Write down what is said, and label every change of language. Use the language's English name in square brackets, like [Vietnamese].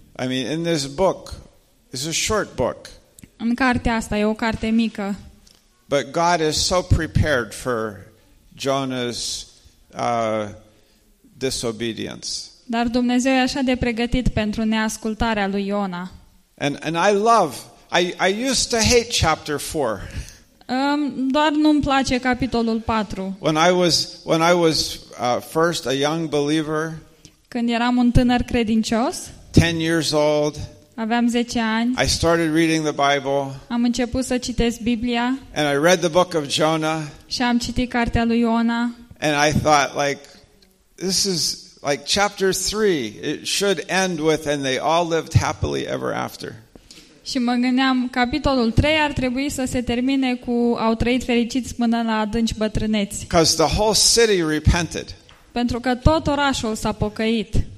[English] I mean, in this book, it's a short book. [Romanian] În cartea asta e o carte mică. [English] But God is so prepared for Jonah's disobedience. [Romanian] Dar Dumnezeu e așa de pregătit pentru neascultarea lui Iona. [English] And I love. I used to hate chapter 4. [Romanian] Doar nu-mi place capitolul 4. [English] When I was first a young believer. [Romanian] Când eram un tânăr credincios. [English] 10 years old. [Romanian] Aveam 10 ani. [English] I started reading the Bible. [Romanian] Am început să citesc Biblia. [English] And I read the book of Jonah. [Romanian] Și am citit cartea lui Iona. [English] And I thought, like, this is like chapter 3. It should end with and they all lived happily ever after. [Romanian] Și mă gândeam, capitolul 3 ar trebui să se termine cu au trăit fericiți până la adânci bătrâneți. [English] Because the whole city repented. [Romanian] Pentru că tot orașul s-a pocăit.